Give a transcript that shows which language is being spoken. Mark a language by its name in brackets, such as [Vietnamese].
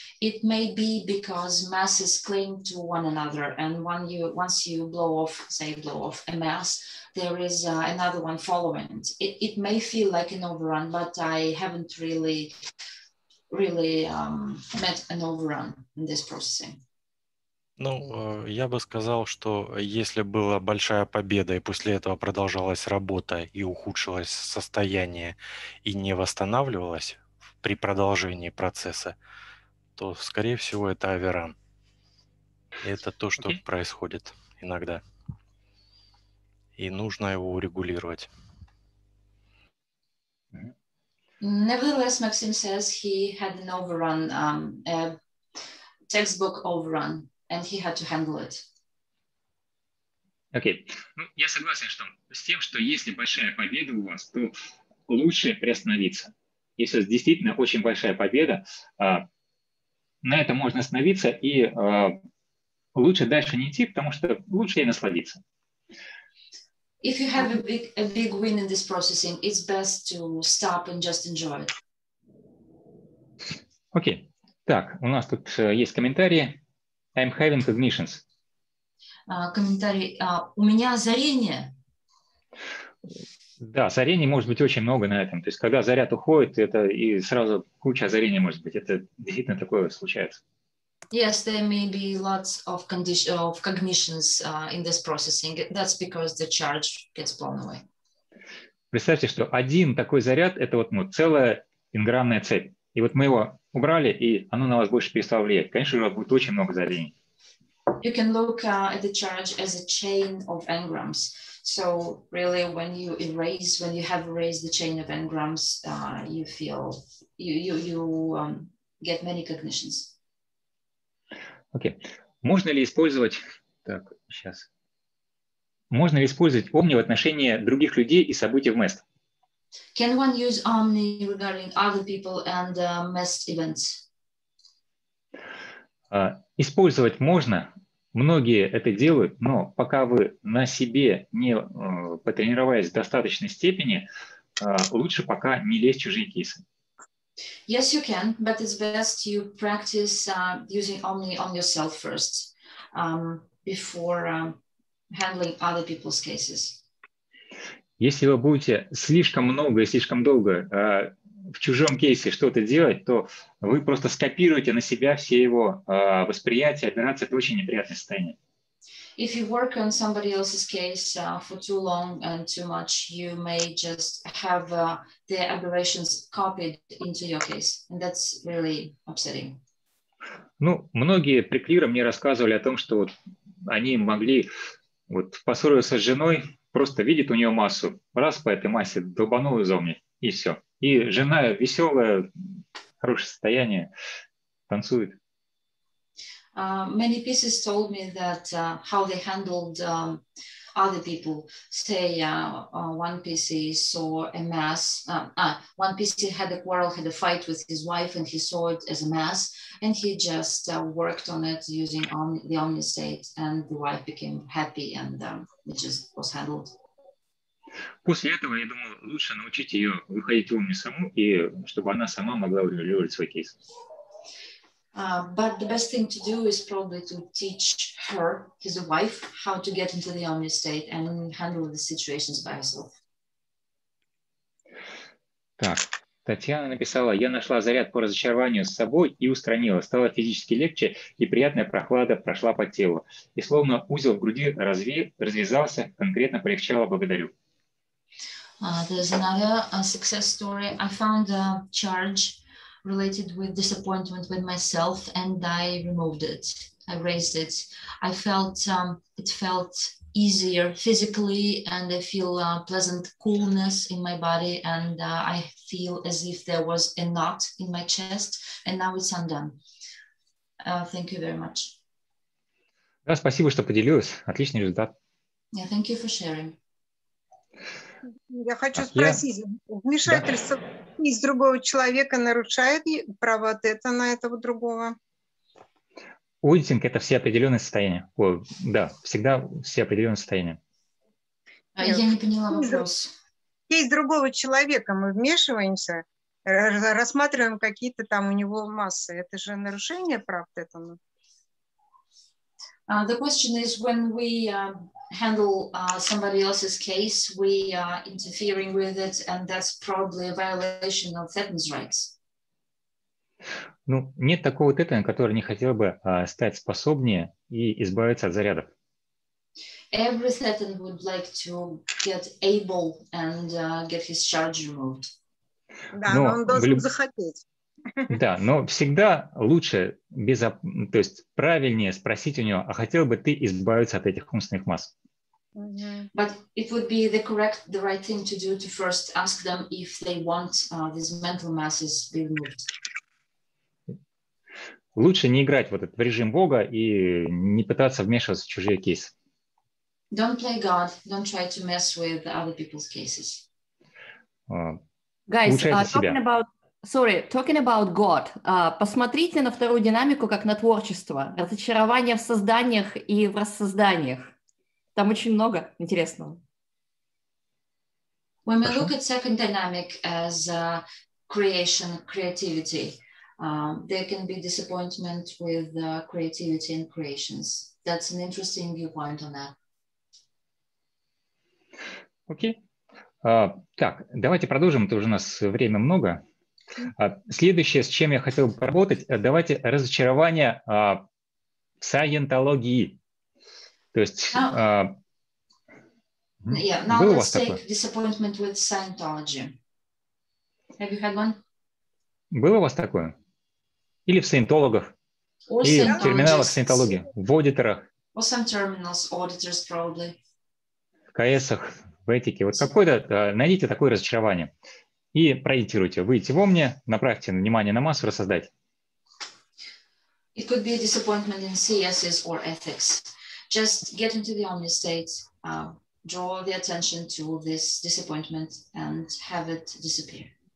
[English] It may be because masses cling to one another, and once you blow off a mass, there is another one following it. It may feel like an overrun, but I haven't really met an overrun in this processing. [Russian] Ну, я бы сказал, что если была большая победа, и после этого продолжалась работа, и ухудшилось состояние, и не восстанавливалось при продолжении процесса, то, скорее всего, это оверран. Это то, что происходит иногда. И нужно его урегулировать. [English] Nevertheless, Maxim says he had an overrun, a textbook overrun. And he had to handle it. [Russian] Окей. Ну, я согласен с тем, что если большая победа у вас, то лучше приостановиться. Если действительно очень большая победа, на это можно остановиться и лучше дальше не идти, потому что лучше ей насладиться. [English] If you have a big win in this processing, it's best to stop and just enjoy it. [Russian] Окей. Так, у нас тут есть комментарии. [English] I'm having cognitions. [Russian] Комментарий. У меня озарение. Да, озарений может быть очень много на этом. То есть, когда заряд уходит, это и сразу куча озарений может быть. Это действительно такое случается. [English] Yes, there may be lots of cognitions in this processing. That's because the charge gets blown away. [Russian] Представьте, что один такой заряд – это вот ну, целая инграмная цепь. И вот мы его убрали, и оно на вас больше перестало влиять. Конечно, у вас будет очень много зарений. [English] You can look at the charge as a chain of engrams. So really, when you have erased the chain of engrams, you get many cognitions. [Russian] Окей. Okay. Можно ли использовать... Так, сейчас. Можно ли использовать Omni в отношении других людей и событий в MEST? [English] Can one use Omni regarding other people and MEST events? [Russian] Использовать можно. Многие это делают, но пока вы на себе не потренировались в достаточной степени, лучше пока не лезть в чужие кейсы. [English] Yes, you can, but it's best you practice using Omni on yourself first, before handling other people's cases. [Russian] Если вы будете слишком много и слишком долго в чужом кейсе что-то делать, то вы просто скопируете на себя все его восприятие, операции. Это очень неприятное состояние. [English] If you work on somebody else's case for too long and too much, you may just have their aberrations copied into your case. And that's really upsetting. [Russian] Ну, многие преклиры мне рассказывали о том, что вот они могли вот, поссориться с женой, просто видит у нее массу, раз по этой массе долбанул из Omni, и все. И жена веселая, хорошее состояние, танцует. [English] Many pieces told me that how they handled other people say one PC saw a mass. One PC had a quarrel, had a fight with his wife, and he saw it as a mass, and he just worked on it using the Omnistate, and the wife became happy, and it just was handled. [Russian] После этого, я думаю, лучше научить ее выходить в Omni саму, и чтобы она сама могла урегулировать свой кейс. [English] But the best thing to do is probably to teach her, his wife, how to get into the Omni state and handle the situations by herself. [Russian] Так, Татьяна написала, я нашла заряд по разочарованию с собой и устранила. Стало физически легче, и приятная прохлада прошла по телу. И словно узел в груди развязался, конкретно полегчало, благодарю. [English] There's another success story. I found a charge related with disappointment with myself, and I removed it. I raised it. I felt it felt easier physically, and I feel a pleasant coolness in my body, and I feel as if there was a knot in my chest, and now it's undone. Thank you very much. [Russian] Да, спасибо, что поделилась. Отличный результат. [English] Yeah, thank you for sharing. [Russian] Я хочу спросить, вмешательство из другого человека нарушает право ответа на этого другого? Уитинг – это все определенные состояния. О, да, всегда все определенные состояния. Я не поняла вопрос. Из другого человека мы вмешиваемся, рассматриваем какие-то там у него массы. Это же нарушение прав ответа? [English] The question is, when we handle somebody else's case, we are interfering with it, and that's probably a violation of Thetan's rights. [Russian] Ну, нет такого Thetan, который не хотел бы стать способнее и избавиться от зарядов. [English] Every Thetan would like to get able and get his charge removed. [Russian] Да, но он должен захотеть. Да, но всегда лучше, то есть правильнее спросить у него, а хотел бы ты избавиться от этих умственных масс? [English] But it would be the right thing to do to first ask them if they want these mental masses be removed. [Russian] Лучше не играть вот в режим Бога и не пытаться вмешиваться в чужие кейсы. [English] Don't play God, don't try to mess with other people's cases. Guys, talking about God, [Russian] посмотрите на вторую динамику как на творчество. Разочарование в созданиях и в рассозданиях. Там очень много интересного. [English] When we look at second dynamic as creation, creativity, there can be disappointment with creativity and creations. That's an interesting viewpoint on that. Okay. [Russian] Так, давайте продолжим, то уже у нас время много. Следующее, с чем я хотел бы поработать, давайте разочарование в саентологии. То есть был у вас такое? [English] Disappointment with Scientology. Have you had one? [Russian] Было у вас такое? Или в саентологов? И в терминалах саентологии? В аудиторах? [English] Or some terminals, auditors probably. [Russian] В КС-ах, в этике. Вот какое-то, найдите такое разочарование. И проедитируйте. Выйдите во мне, направьте внимание на массу, рассоздать. [English] It could be a disappointment in CSs or ethics. Just get into the Omni state, draw the attention to this disappointment and have it disappear.